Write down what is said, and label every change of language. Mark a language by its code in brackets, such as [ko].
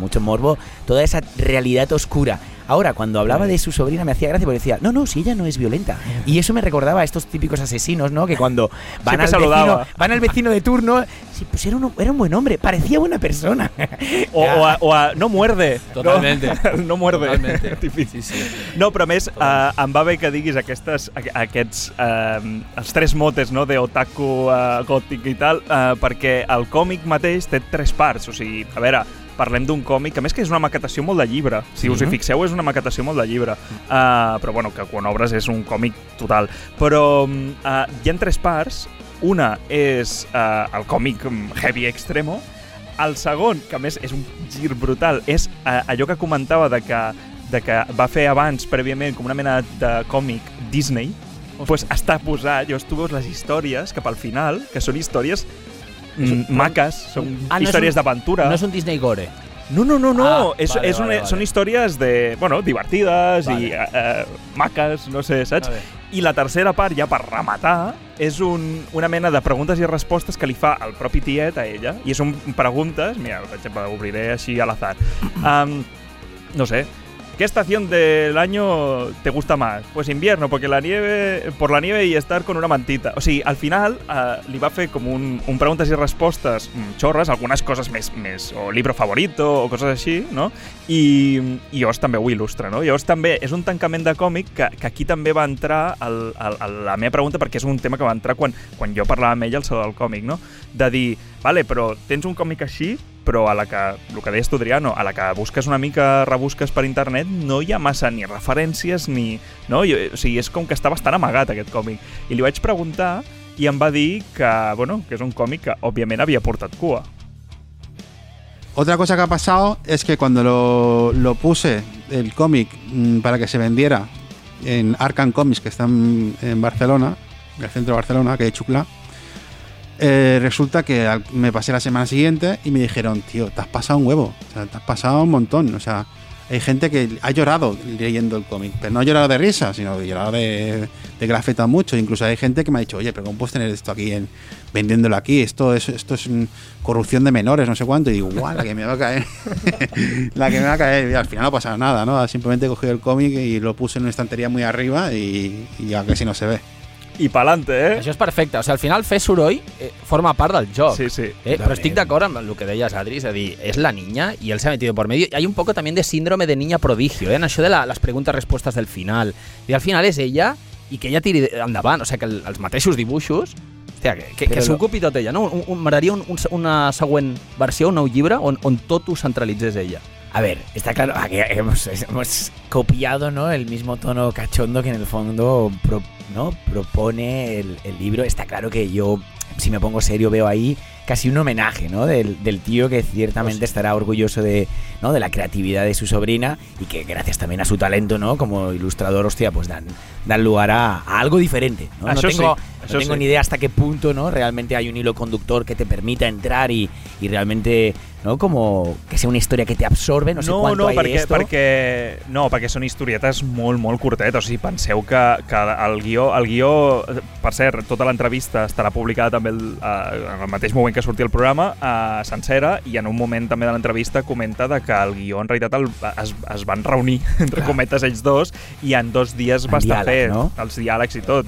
[es] Mucho morbo, toda esa realidad oscura. Ahora, cuando hablaba de su sobrina, me hacía gracia porque decía, no, si ella no es violenta. Y eso me recordaba a estos típicos asesinos, ¿no? Que cuando van al vecino de turno, sí, pues era un buen hombre, parecía buena persona. O a no muerde. Totalmente. No, no muerde. Totalmente. Sí, sí. [ca] No, però a més, em va bé que diguis aquests tres motes, no?, de otaku, gòtic i tal, perquè el còmic mateix té tres parts, o sigui, a veure... Parlem d'un còmic, a més que és una maquetació molt de llibre. Si us hi fixeu, és una maquetació molt de llibre. Però, bueno, que quan obres és un còmic total. Però hi ha tres parts. Una és el còmic heavy extremo. El segon, que a més és un gir brutal, és allò que comentava de que va fer abans, prèviament, com una mena de còmic Disney. Pues està posat, llavors tu veus les històries cap al final, que són històries... maques, són històries d'aventura. No és un Disney gore. No. Són històries de, bueno, divertides, vale. I maques, no sé, saps? Vale. I la tercera part, ja per rematar, és una mena de preguntes i respostes que li fa el propi tiet a ella. I són preguntes, mira, per exemple, obriré així a l'azar. No sé. [es] ¿Qué estación del año te gusta más? Pues invierno, porque la nieve, por la nieve y estar con una mantita. [ca] O sigui, al final li va fer com un preguntes i respostes xorres, algunes coses més o [es] libro favorito [ca] o coses així, no? I llavors també ho il·lustra, no? Llavors també és un tancament de còmic que aquí també va entrar la meva pregunta, perquè és un tema que va entrar quan jo parlava amb ella al saló del còmic, no? De dir, vale, però tens un còmic així... però a la que, el que deies tu, Adriano, a la que busques una mica, rebusques per internet, no hi ha massa ni referències ni... No? Jo, o sigui, és com que està bastant amagat aquest còmic. I li vaig preguntar i em va dir que, bueno, que és un còmic que, òbviament, havia portat cua. [es] Otra cosa que ha pasado es que cuando lo puse, el còmic, para que se vendiera en Arkham Comics, que está en Barcelona, en el centro de Barcelona, que es Xucla, resulta que me pasé la semana siguiente y me dijeron, tío, te has pasado un huevo, o sea, te has pasado un montón, o sea, hay gente que ha llorado leyendo el cómic, pero no ha llorado de risa, sino que ha llorado de que le ha afectado mucho. Incluso hay gente que me ha dicho, oye, pero ¿cómo puedes tener esto aquí, vendiéndolo aquí? Esto es corrupción de menores, no sé cuánto. Y digo, guau, la que me va a caer, la que me va a caer. Y al final no pasa nada, ¿no? Simplemente he cogido el cómic y lo puse en una estantería muy arriba y ya que si no se ve. [ca] I pa'lante, eh? Això és perfecte. O sigui, al final, fer soroll forma part del joc. Sí, sí. Però estic d'acord amb el que deies, Adri, és a dir, és [es] la niña [ca] i ell s'ha [es] metido por medio. [ca] Hi ha [es] un poco [ca] també de [es] síndrome de niña prodigio, [ca] en això de les preguntes-respostes del final. I al final és ella i que ella tiri endavant. O sigui, que els mateixos dibuixos... Hòstia, que s'ocupi tot ella, no? M'agradaria una següent versió, un nou llibre, on tot ho centralitzés ella. [es] A ver, está claro que hemos copiado, ¿no?, el mismo tono cachondo que en el fondo propone el libro. Está claro que yo, si me pongo serio, veo ahí casi un homenaje, ¿no?, del tío que ciertamente pues, estará orgulloso de, ¿no?, de la creatividad de su sobrina y que gracias también a su talento, ¿no?, como ilustrador, hostia, pues dan lugar a algo diferente, ¿no? No tengo, sí. No tengo ni idea hasta qué punto, ¿no? Realmente hay un hilo conductor que te permita entrar y realmente, ¿no? Como que sea una historia que te absorbe, no sé cuánto hay de esto. [ca] No, perquè són historietes molt, molt curtetes. O sigui, penseu que el guió, per cert, tota l'entrevista estarà publicada també en el mateix moment que surti el programa, sencera, i en un moment també de l'entrevista comenta que el guió en realitat es van reunir, entre cometes, ells dos, i en dos dies va estar fet els diàlegs i tot.